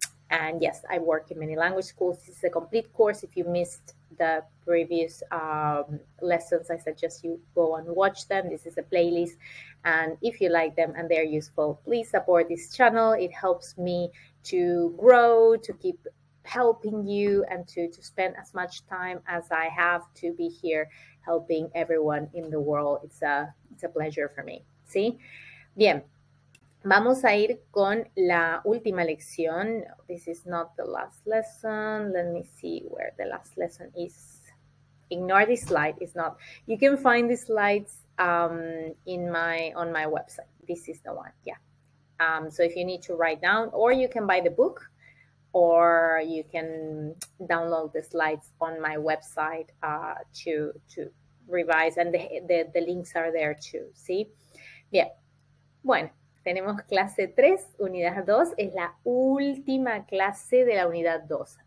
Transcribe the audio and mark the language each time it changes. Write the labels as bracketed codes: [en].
[en] And yes, I work in many language schools. This is a complete course. If you missed the previous lessons, I suggest you go and watch them. This is a playlist. And if you like them and they're useful, please support this channel. It helps me to grow, to keep helping you, and to spend as much time as I have to be here helping everyone in the world. It's a pleasure for me. ¿Sí? [es] Bien, vamos a ir con la última lección. [en] This is not the last lesson. Let me see where the last lesson is. Ignore this slide. It's not. You can find these slides on my website. This is the one. Yeah. So if you need to write down, or you can buy the book, or you can download the slides on my website to revise, and the links are there too, ¿sí? [es] Bien, bueno, tenemos clase 3, unidad 2, es la última clase de la unidad 2.